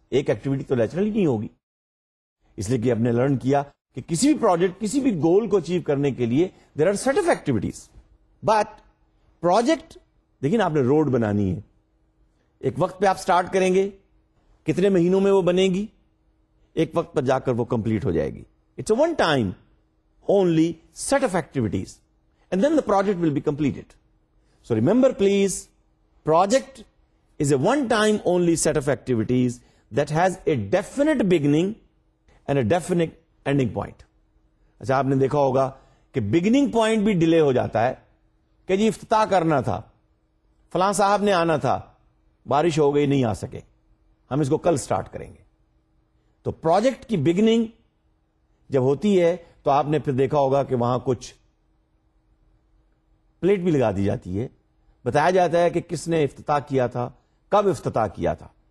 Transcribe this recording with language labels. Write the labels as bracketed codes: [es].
[ur] ایک ایکٹیویٹی تو نیچرلی نہیں ہوگی, اس لیے کہ ہم نے لرن کیا کہ کسی بھی پروجیکٹ, کسی بھی گول کو اچیو کرنے کے لیے [en] There are set of activities. [ur] But project, دیکھیں آپ نے روڈ بنانی ہے, ایک وقت پہ آپ اسٹارٹ کریں گے, کتنے مہینوں میں وہ بنے گی, ایک وقت پر جا کر وہ کمپلیٹ ہو جائے گی. [en] It's a one time only set of activities and then the project will be completed. So remember please, project is a one-time only set of activities that has a definite beginning and a definite ending point. [ur] اچھا آپ نے دیکھا ہوگا کہ beginning point بھی delay ہو جاتا ہے, کہ جی افتتاح کرنا تھا, فلاں صاحب نے آنا تھا, بارش ہو گئی نہیں آ سکے, ہم اس کو کل اسٹارٹ کریں گے. تو پروجیکٹ کی بگننگ جب ہوتی ہے تو آپ نے پھر دیکھا ہوگا کہ وہاں کچھ پلیٹ بھی لگا دی جاتی ہے, بتایا جاتا ہے کہ کس نے افتتاح کیا تھا, کب افتتاح کیا تھا.